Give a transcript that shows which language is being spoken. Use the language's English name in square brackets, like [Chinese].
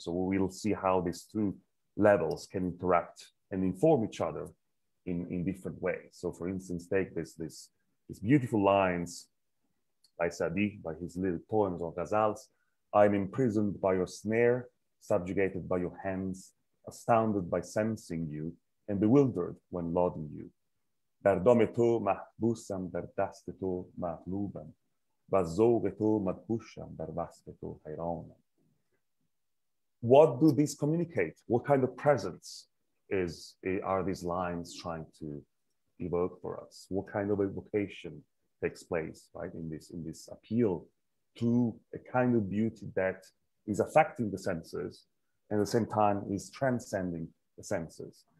[English] So we'll see how these two levels can interact and inform each other in different ways. So for instance, take these beautiful lines by Saadi, by his little poems or ghazals. I'm imprisoned by your snare, subjugated by your hands, astounded by sensing you and bewildered when lauding you. [Persian] در دام تو محبوسم در دست تو مغلوبم و ذوق تو مدهوشم در وصف تو حیرانم. [English] What do these communicate? What kind of presence are these lines trying to evoke for us? What kind of evocation takes place, right, in this appeal to a kind of beauty that is affecting the senses and at the same time is transcending the senses?